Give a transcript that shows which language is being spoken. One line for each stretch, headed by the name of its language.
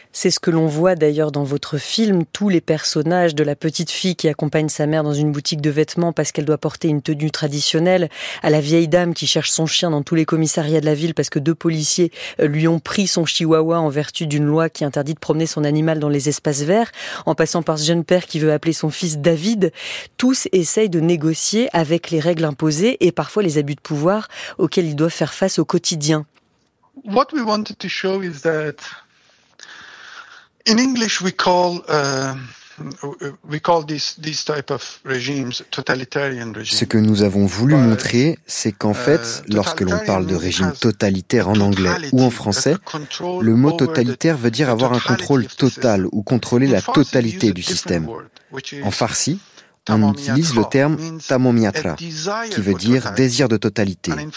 French: C'est ce que l'on voit d'ailleurs dans votre film, tous les personnages, de la petite fille qui accompagne sa mère dans une boutique de vêtements parce qu'elle doit porter une tenue traditionnelle, à la vieille dame qui cherche son chien dans tous les commissariats de la ville parce que deux policiers lui ont pris son chihuahua en vertu d'une loi qui interdit de promener son animal dans les espaces verts, en passant par ce jeune père qui veut appeler son fils David. Tous essayent de négocier avec les règles imposées et parfois les abus de pouvoir auxquels ils doivent faire face au quotidien.
English: What we wanted to show is that in English we call these type of regimes totalitarian regimes.
French: Ce que nous avons voulu montrer, c'est qu'en fait, lorsque l'on parle de régime totalitaire en anglais ou en français, le mot totalitaire veut dire avoir un contrôle total ou contrôler la totalité du système. En farsi, on utilise le terme tamamiyatra, qui veut dire désir de totalité.